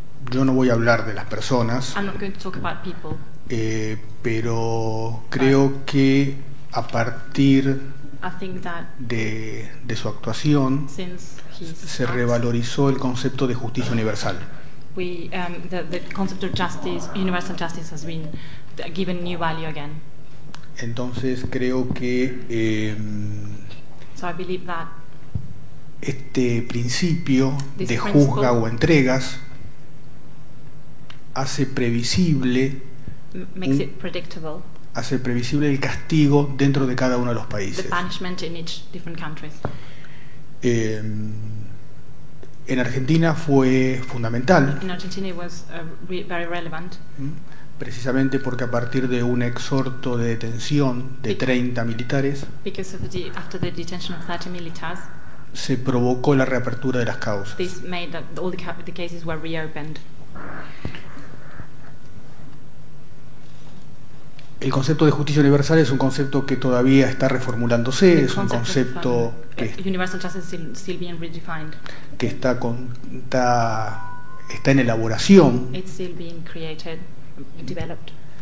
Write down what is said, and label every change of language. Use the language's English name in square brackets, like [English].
[Spanish] Yo no voy a hablar de las personas. [English] I'm not going to talk about people. [Spanish] Pero creo que a partir de su actuación se revalorizó el concepto de justicia universal. [English] The concept of justice, universal justice, has been given new value again. [Spanish] Entonces creo que [English] so I believe that [Spanish] este principio de juzga o entregas hace previsible [English] makes it predictable [Spanish] hacer previsible el castigo dentro de cada uno de los países. [English] The punishment in each different countries. [Spanish] En Argentina fue fundamental. [English] In Argentina it was very relevant. [Spanish] Precisamente porque a partir de un exhorto de detención de 30 militares. [English] Because of the, after the detention of 30 militars. [Spanish] Se provocó la reapertura de las causas. [English] This made that all the cases were reopened. [Spanish] El concepto de justicia universal es un concepto que todavía está reformulándose, es un concepto que [English] universal justice still being redefined. [Spanish] Que está en elaboración. [English] It's still being created, developed.